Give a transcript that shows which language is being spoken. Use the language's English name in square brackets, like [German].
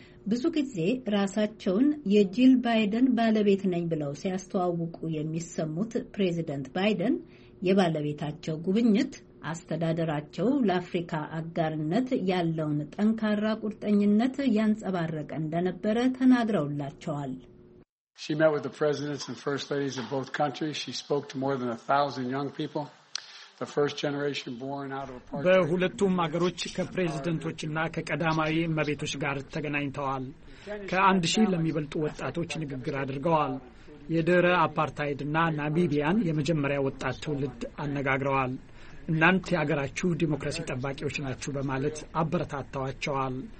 [Amharic] ብዙ ጊዜ ራሳቸውን የጂል ባይደን ባለቤት ነኝ ብለው ሲያስተዋውቁ የሚሰሙት ፕሬዚደንት ባይደን የባለቤታቸው ጉብኝት አስተዳደራቸው ለአፍሪካ አጋርነት ያለውን ጠንካራ ቁርጠኝነት ያንጸባረቀ እንደነበረ ተናግረውላቸዋል። [English] She met with the presidents and first ladies of both countries. She spoke to more than 1,000 young people. [Amharic] በሁለቱም አገሮች ከፕሬዝደንቶችና ከቀዳማዊ እመቤቶች ጋር ተገናኝተዋል። ከ1000 ለሚበልጡ ወጣቶች ንግግር አድርገዋል። የድህረ አፓርታይድና ናሚቢያን የመጀመሪያ ወጣት ትውልድ አነጋግረዋል። እናንተ የአገራችሁ ዲሞክራሲ ጠባቂዎች ናችሁ በማለት አበረታተዋቸዋል።